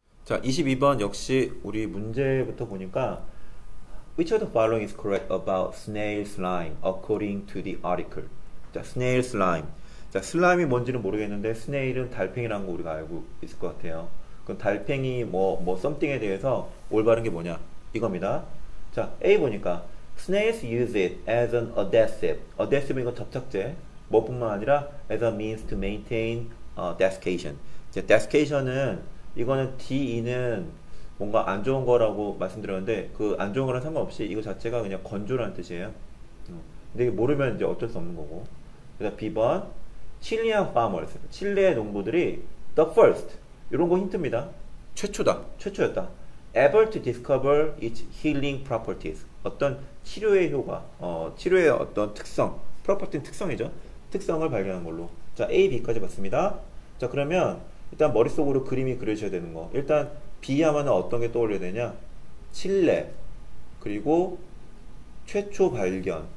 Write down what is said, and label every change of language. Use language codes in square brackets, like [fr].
[ko] 자, 22번 역시 우리 문제부터 보니까 [en] Which of the following is correct about snail slime according to the article? 자, snail slime. [ko] 자, 슬라임이 뭔지는 모르겠는데 스네일은 달팽이라는 거 우리가 알고 있을 것 같아요. 그럼 달팽이 뭐 something에 대해서 올바른 게 뭐냐? 이겁니다. 자, A 보니까 [en] snails use it as an adhesive. [ko] adhesive 이거 접착제. 뭐뿐만 아니라 [en] as a means to maintain desiccation. [ko] 자, desiccation은 이거는 DE는 뭔가 안 좋은 거라고 말씀드렸는데, 그안 좋은 거랑 상관없이 이거 자체가 그냥 건조라는 뜻이에요. 근데 이게 모르면 이제 어쩔 수 없는 거고. 그래서 B번, 칠리안 farmers, 칠레의 농부들이 the first, 이런 거 힌트입니다. 최초다. 최초였다. [en] able to discover its healing properties. [ko] 어떤 치료의 효과, 치료의 어떤 특성, property는 특성이죠. 특성을 발견한 걸로. 자, A, B까지 봤습니다. 자, 그러면 일단 머릿속으로 그림이 그려져야 되는 거. 일단 B 하면 어떤 게 떠올려야 되냐? 칠레, 그리고 최초 발견.